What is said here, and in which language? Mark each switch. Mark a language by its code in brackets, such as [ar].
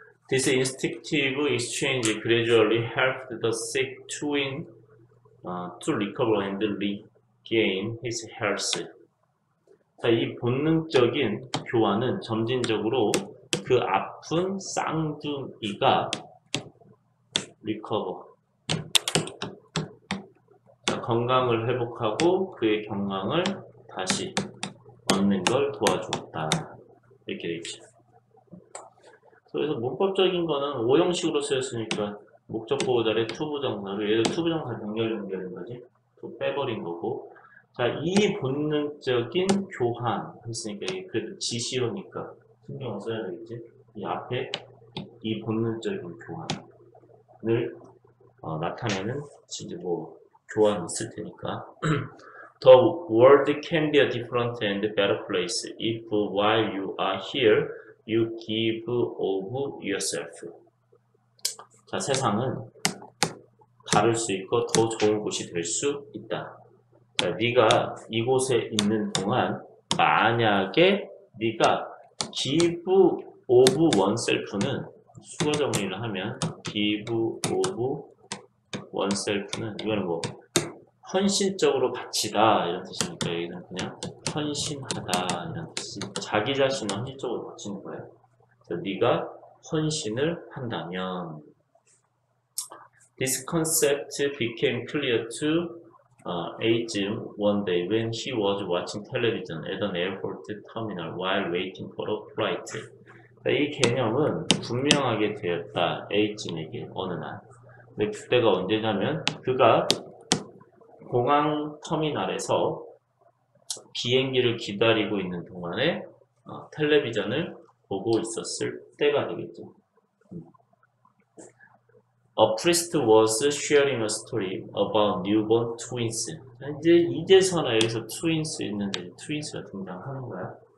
[en] This instinctive exchange gradually helped the sick to recover and regain his health. [ko] 자, 이 본능적인 교환은 점진적으로 그 아픈 쌍둥이가 리커버, 자, 건강을 회복하고 그의 건강을 다시 얻는 걸 도와주었다. 이렇게 되죠. 그래서 문법적인 거는 오형식으로 쓰였으니까 목적 보호자를 투부정사로, 얘도 투부정사 연결인 거지. 또 빼버린 거고. 자, 이 본능적인 교환 했으니까 그래도 지시어니까 신경을 써야 되겠지. 이 앞에 이 본능적인 교환을 나타내는 진짜 뭐 교환 있을 테니까. [en] The world can be a different and better place if while you are here you give of yourself. [ko] 자, 세상은 다를 수 있고 더 좋은 곳이 될 수 있다. 자, 네가 이곳에 있는 동안 만약에 네가 [en] give of oneself [ko] 는 수거 정리를 하면 give of oneself는 이거는 뭐 헌신적으로 바치다 이런 뜻이니까 여기는 그냥 헌신하다 이런 뜻이. 자기 자신을 헌신적으로 바치는 거예요. 그래서 네가 헌신을 한다면 [en] This concept became clear to Ajim one day when he was watching television at an airport terminal while waiting for a flight. [ko] 이 개념은 분명하게 되었다. Ajim에게 어느 날. 근데 그때가 언제냐면 그가 공항 터미널에서 비행기를 기다리고 있는 동안에 텔레비전을 보고 있었을 때가 되겠죠. [en] A priest was sharing a story about newborn twins. [ko] 이제서나 여기서 트윈스 있는데 트윈스가 등장하는 거야.